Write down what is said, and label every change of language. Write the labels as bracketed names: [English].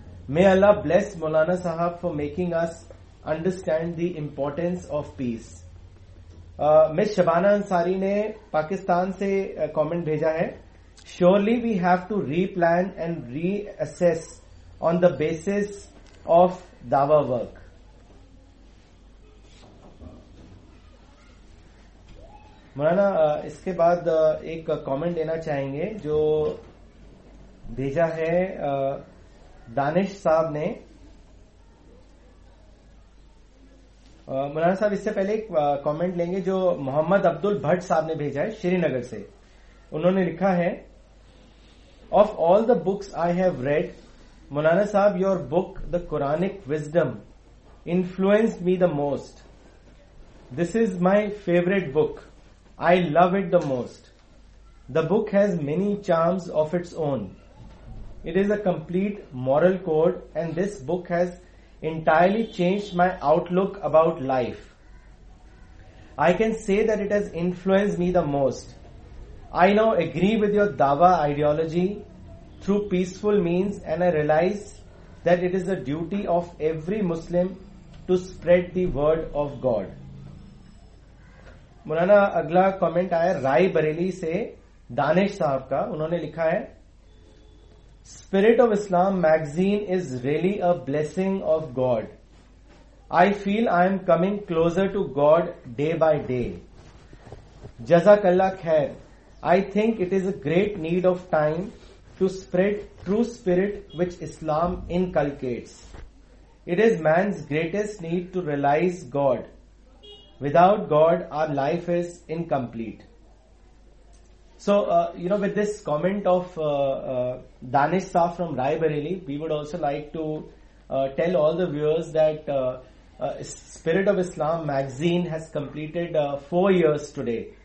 [English] May Allah bless Maulana Sahab for making us understand the importance of peace. Ms. [Hindi] Shabana Ansari ne Pakistan se comment bheja hai. [English] Surely we have to replan and reassess on the basis of Dawa work. [Hindi] मौलाना इसके बाद एक comment देना चाहेंगे जो भेजा है दानिश साहब ने. मौलाना साहब इससे पहले एक कमेंट लेंगे जो मोहम्मद अब्दुल भट्ट साहब ने भेजा है श्रीनगर से. उन्होंने लिखा है, [English] Of all the books I have read, Maulana sahab your book the Quranic wisdom influenced me the most. This is my favourite book. I love it the most. The book has many charms of its own. It is a complete moral code, and this book has entirely changed my outlook about life. I can say that it has influenced me the most. I now agree with your Dawa ideology through peaceful means, and I realize that it is the duty of every Muslim to spread the word of God. [Hindi] मौलाना अगला comment आया राय बरेली से दानिश साहब का. उन्होंने लिखा है, [English] Spirit of Islam magazine is really a blessing of God. I feel I am coming closer to God day by day. जजाक अल्लाह खैर. I think it is a great need of time to spread true spirit which Islam inculcates. It is man's greatest need to realise God. Without God, our life is incomplete. So, you know, with this comment of Danish Saab from Rai Bareli, we would also like to tell all the viewers that Spirit of Islam magazine has completed 4 years today.